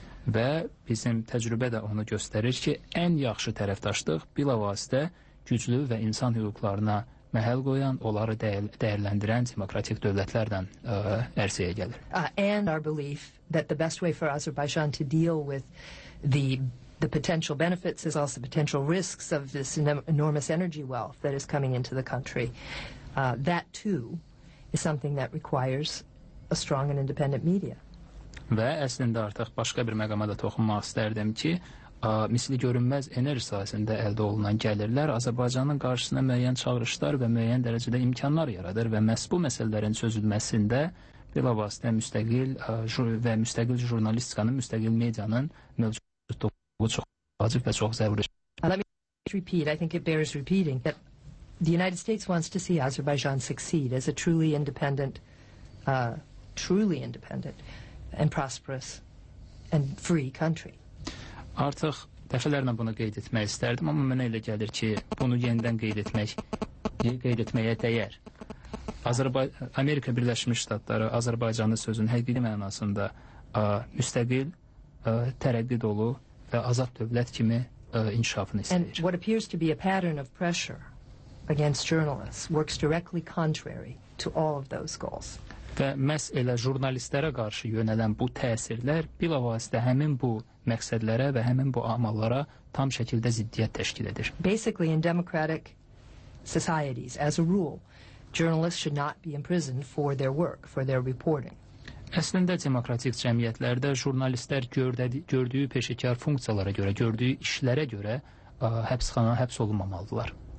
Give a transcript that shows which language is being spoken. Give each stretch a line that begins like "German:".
Azerbaijani: Və bizim təcrübə də onu göstərir ki, ən yaxşı tərəfdaşlıq bilavasitə güclü və insan hüquqlarına məhəl qoyan, onları dəyərləndirən demokratik dövlətlərdən ərsəyə gəlir.
English: And our belief that the best way for Azerbaijan to deal with the potential benefits is also potential risks of this enormous energy wealth that is coming into the country. That too is something that requires a strong and independent media.
Azerbaijani: Və əslində artıq başqa bir məqama da toxunmaq istərdim ki, misli görünməz enerji sahəsində əldə olunan gəlirlər Azərbaycanın qarşısına müəyyən çağırışlar və müəyyən dərəcədə imkanlar yaradır və məhz bu məsələlərin çözülməsində bilavasitə müstəqil və müstəqil jurnalistikanın, müstəqil medianın mövcudluğu çox vacib və çox zəruridir.
English: Let me repeat, I think it bears repeating, that the United States wants to see Azerbaijan succeed as a truly independent and prosperous and free country.
Azerbaijani: Artıq dəfələrlə bunu qeyd etmək istərdim, amma mənə elə gəlir ki, bunu yenidən qeyd etməyə dəyər. Amerika Birləşmiş Ştatları Azərbaycanın sözün həqiqi mənasında müstəqil, tərəqqi dolu və azad dövlət kimi inkişafını istəyir.
English: And what appears to be a pattern of pressure against journalists works directly contrary to all of those goals.
Azerbaijani: Və məhz elə jurnalistlərə qarşı yönələn bu təsirlər bilavasitə həmin bu məqsədlərə və həmin bu amallara tam şəkildə ziddiyyət təşkil edir.
English: Basically, in democratic societies, as a rule, journalists should not be imprisoned for their work, for their reporting.
Azerbaijani: Əslində, demokratik cəmiyyətlərdə jurnalistlər gördüyü peşəkar funksiyalara görə, gördüyü işlərə görə həbsxana həbs olunmamalıdırlar.